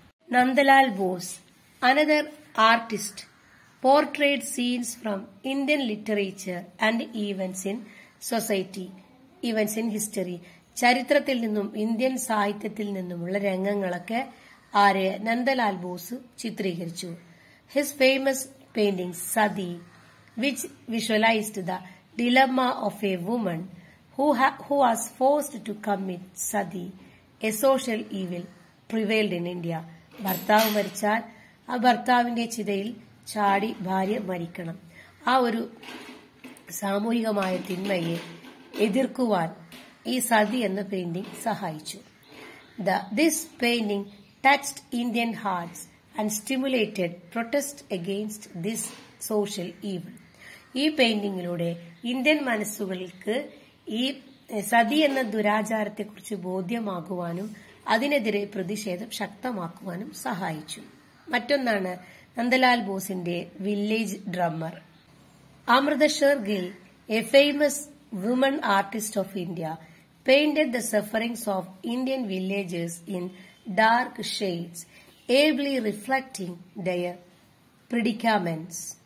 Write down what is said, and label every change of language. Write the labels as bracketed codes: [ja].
[en] Nandalal Bose another artist portrait scenes from Indian literature and events in society, events in history. [ml] ചരിത്രത്തിൽ നിന്നും Indian സാഹിത്യത്തിൽ നിന്നുമുള്ള രംഗങ്ങളൊക്കെ Arya Nandalal Bose ചിത്രീകരിച്ചു. [en] His famous painting Sati, which visualised the dilemma of a woman who was forced to commit sati, a social evil prevailed in India. [ml] ഭർത്താവ് മരിച്ചാൽ ആ ഭർത്താവിന്റെ ചിതയിൽ ചാടി ഭാര്യ മരിക്കണം. ആ ഒരു സാമൂഹികമായ തിന്മയെ എതിർക്കുവാൻ ഈ സതി എന്ന പെയിന്റിംഗ് സഹായിച്ചു. [en] This painting touched Indian hearts and stimulated protest against this social evil. [ml] ഈ പെയിന്റിംഗിലൂടെ ഇന്ത്യൻ മനസ്സുകൾക്ക് ഈ സതി എന്ന ദുരാചാരത്തെക്കുറിച്ച് ബോധ്യമാകുവാനും അതിനെതിരെ പ്രതിഷേധം ശക്തമാക്കുവാനും സഹായിച്ചു. മറ്റൊന്നാണ് നന്ദലാൽ ബോസിന്റെ village drummer. [en] അമൃതശ്വർ Gill, A famous woman artist of India, painted the സഫറിംഗ്സ് of Indian villagers in dark shades, ഏബ്ലി reflecting there പ്രിഡിക്കാമെന്റ്സ്.